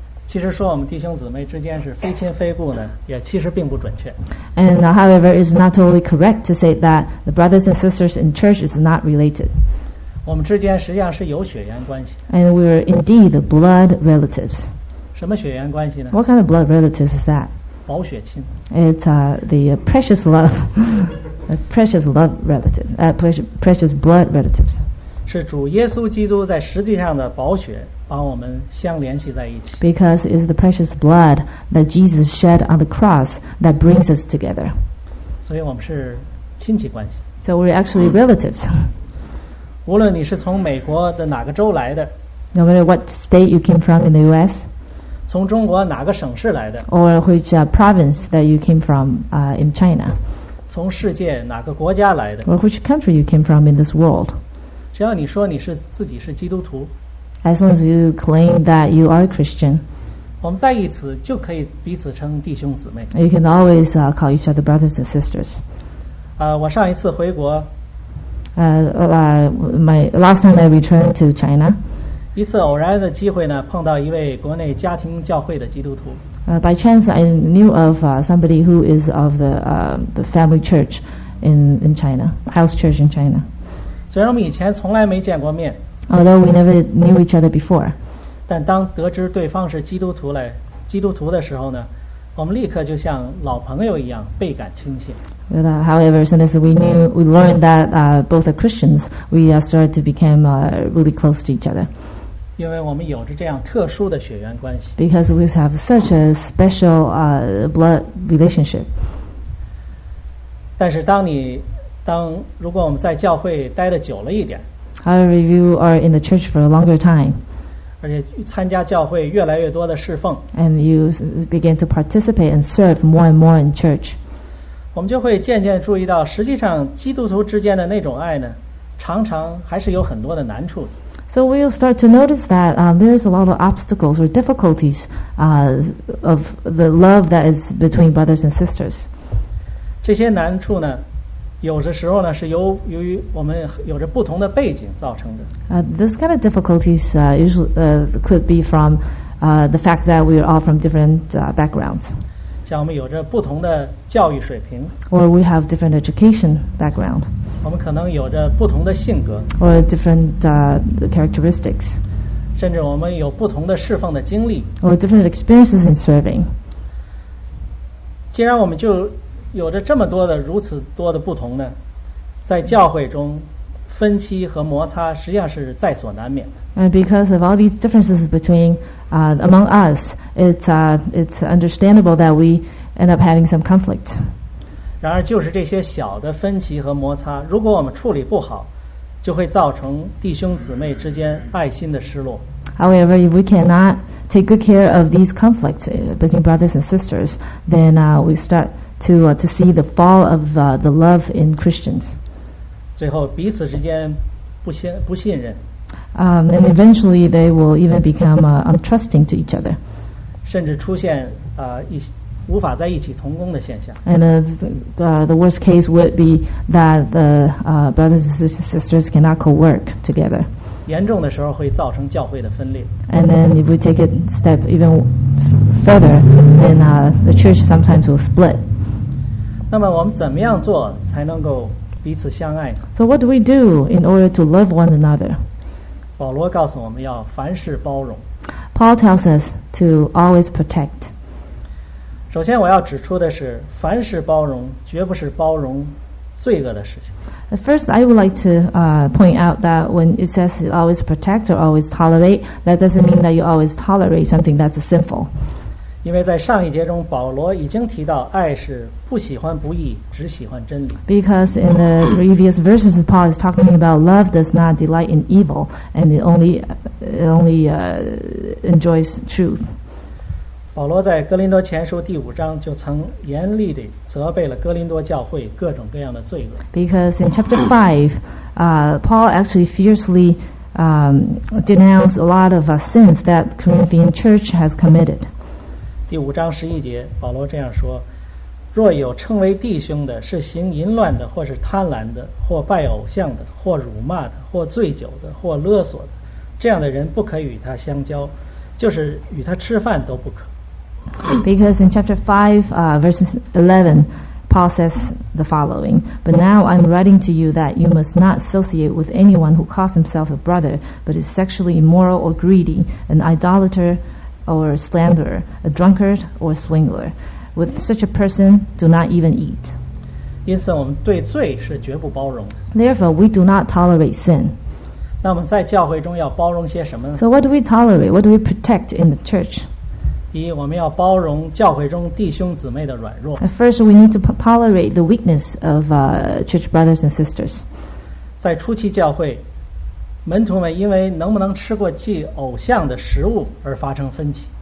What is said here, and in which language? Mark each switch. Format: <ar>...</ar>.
<zh>其实说我们弟兄姊妹之间是非亲非故呢，也其实并不准确。</zh> <en>And however, it's not totally correct to say that the brothers and sisters in church is not related.</en> <zh>我们之间实际上是有血缘关系。</zh> <en>And we are indeed blood relatives.</en> <zh>什么血缘关系呢</zh> <en>？What kind of blood relatives is that?</en> <zh>宝血亲。</zh> <en>It's the precious love, precious love relative, precious blood relatives.</en> <zh>是主耶稣基督在实际上的宝血把我们相联系在一起。</zh> <en>Because it's the precious blood that Jesus shed on the cross that brings us together.</en> <zh>所以我们是亲戚关系。</zh> <en>So we're actually relatives.</en> <zh>无论你是从美国的哪个州来的</zh> <en>，No matter what state you came from in the U.S.</en> <zh>从中国哪个省市来的</zh> <en>，Or which province that you came from in China.</en> <zh>从世界哪个国家来的</zh> <en>，Or which country you came from in this world.</en> <zh>只要你说你是自己是基督徒</zh> <en>，as long as you claim that you are a Christian，</en> <zh>我们在一起就可以彼此称弟兄姊妹。</zh> <en>You can always call each other brothers and sisters。</en> <zh>我上一次回国，</zh> <en>my last time I returned to China，</en> <zh>一次偶然的机会呢，碰到一位国内家庭教会的基督徒。</zh> <en>By chance, I knew of somebody who is of the family church in China, house church in China.</en> <zh>虽然我们以前从来没见过面</zh> <en>although we never knew each other before</en> <zh>但当得知对方是基督徒的时候呢我们立刻就像老朋友一样倍感亲切</zh> <en>But, however since we learned that both are Christians we started to become really close to each other</en> <zh>因为我们有着这样特殊的血缘关系</zh> <en>because we have such a special blood relationship</en> <zh>但是当如果我们在教会待得久了一点</zh> <en>However, if you are in the church for a longer time</en> <zh>而且参加教会越来越多的侍奉</zh> <en>And you begin to participate and serve more and more in church</en> <zh>我们就会渐渐注意到实际上基督徒之间的那种爱呢常常还是有很多的难处</zh> <en>So we'll start to notice that there's a lot of obstacles or difficulties of the love that is between brothers and sisters</en> <zh>这些难处呢有的时候呢是由于我们有着不同的背景造成的</zh> <en>This kind of difficulties could be from the fact that we are all from different backgrounds</en> <zh>像我们有着不同的教育水平</zh> <en>Or we have different education background</en> <zh>我们可能有着不同的性格</zh> <en>Or different characteristics</en> <zh>甚至我们有不同的侍奉的经历</zh> <en>Or different experiences in serving</en> <zh>既然我们就有着这么多的如此多的不同呢在教会中分歧和摩擦实际上是在所难免的</zh> <en>And because of all these differences between among us it's understandable that we end up having some conflict</en> <zh>然而就是这些小的分歧和摩擦如果我们处理不好就会造成弟兄姊妹之间爱心的失落</zh> <en>However if we cannot take good care of these conflicts between brothers and sisters then we startto see the fall of the love in Christians</en> <zh>最后彼此之间不信任</zh> <en>and eventually they will even become untrusting to each other</en> <zh>甚至出现无法在一起同工的现象</zh> <en>and the worst case would be that the brothers and sisters cannot co-work together</en> <zh>严重的时候会造成教会的分裂</zh> <en>and then if we take it step even further then the church sometimes will split</en> <zh>那么我们怎么样做才能够彼此相爱</zh> <en>So what do we do in order to love one another?</en> <zh>保罗告诉我们要凡事包容。</zh> <en>Paul tells us to always protect.</en> <zh>首先我要指出的是，凡事包容绝不是包容罪恶的事情。</zh> <en>First, I would like to point out that when it says always protect or always tolerate, that doesn't mean that you always tolerate something that's sinful.</en> <zh>因为在上一节中保罗已经提到爱是不喜欢不义只喜欢真理</zh> <en>Because in the previous verses Paul is talking about love does not delight in evil and it only enjoys truth</en> <zh>保罗在哥林多前书第五章就曾严厉地责备了哥林多教会各种各样的罪恶</zh> <en>Because in chapter 5 Paul actually fiercely denounced a lot of sins that Corinthian church has committed</en> <zh>第五章十一节保罗这样说若有称为弟兄的是行淫乱的或是贪婪的或拜偶像的或辱骂的或醉酒的或勒索的这样的人不可与他相交就是与他吃饭都不可。</zh> <en>Because in chapter 5, verses 11, Paul says the following, But now I'm writing to you that you must not associate with anyone who calls himself a brother, but is sexually immoral or greedy, an idolater or a slanderer, a drunkard or a swindler. With such a person, do not even eat.</en> <zh>因此我们对罪是绝不包容。</zh> <en>Therefore, we do not tolerate sin.</en> <zh>那我们在教会中要包容些什么呢？</zh> <en>So what do we tolerate? What do we protect in the church?</en> <zh>第一，我们要包容教会中弟兄姊妹的软弱。</zh> <en>First, we need to tolerate the weakness of church brothers and sisters.</en> <zh>在初期教会，门徒们因为能不能吃过祭偶像的食物而发生分歧。</zh>